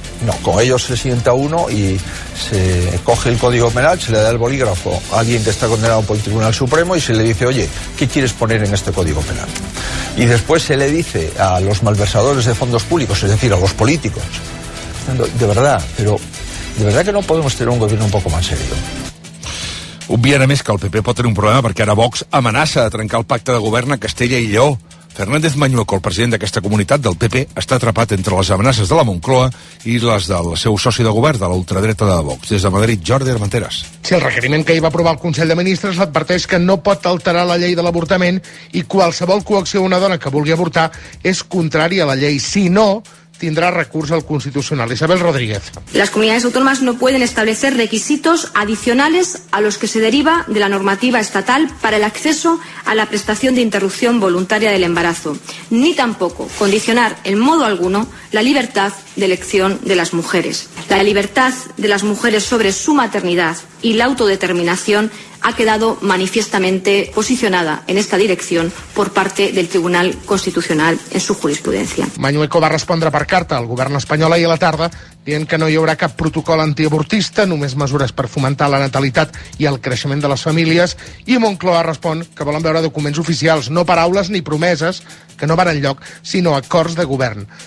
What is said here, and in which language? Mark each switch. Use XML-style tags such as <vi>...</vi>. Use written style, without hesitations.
<es>No, con ellos se sienta uno y se coge el código penal, se le da el bolígrafo a alguien que está condenado por el Tribunal Supremo y se le dice, oye, ¿qué quieres poner en este código penal? Y después se le dice a los malversadores de fondos públicos, es decir, a los políticos, de verdad, pero de verdad que no podemos tener un gobierno un poco más serio.</es> <ca>Obvien a més que el PP pot tenir un problema perquè ara Vox amenaça de trencar el pacte de govern a Castella i Lleó. Fernández Mañueco, el president d'aquesta comunitat del PP, està atrapat entre les amenaces de la Moncloa i les del seu soci de govern, de l'ultradreta de Vox. Des de Madrid, Jordi Armenteras. Sí, el requeriment que ahir va aprovar el Consell de Ministres adverteix que no pot alterar la llei de l'avortament i qualsevol coacció d'una dona que vulgui avortar és contrari a la llei. Si no, tindrà recurs al Constitucional. Isabel Rodríguez.</ca> <es>Las comunidades autónomas no pueden establecer requisitos adicionales a los que se deriva de la normativa estatal para el acceso a la prestación de interrupción voluntaria del embarazo, ni tampoco condicionar en modo alguno la libertad de elección de las mujeres. La libertad de las mujeres sobre su maternidad y la autodeterminación ha quedado manifiestamente posicionada en esta dirección por parte del Tribunal Constitucional en su jurisprudencia.</es> <ca>Mañueco va respondre per carta al govern espanyol ahir a la tarda, dient que no hi haurà cap protocol antiabortista, només mesures per fomentar la natalitat i el creixement de les famílies, i Moncloa respon que volen veure documents oficials, no paraules ni promeses, que no van enlloc, sinó acords de govern.</ca>